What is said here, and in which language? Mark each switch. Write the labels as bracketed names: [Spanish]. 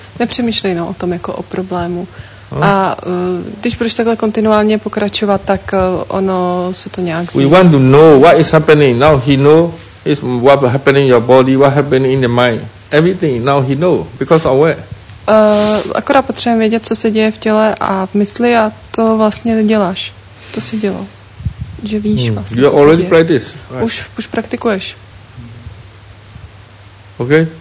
[Czech] Nepřemýšlej no, o tom jako o problému. A když budeš takhle kontinuálně pokračovat, tak ono se to nějak zvíká. [English] We want to know what is happening. Now he knows what is happening in your body, what is happening in the mind. Everything now he knows because aware. [Czech] Akorát potřebujeme vědět, co se děje v těle a v mysli a to vlastně děláš. To si dělal. Že víš vlastně, [English] you already practice. Right. [Czech] Už praktikuješ. [English] OK.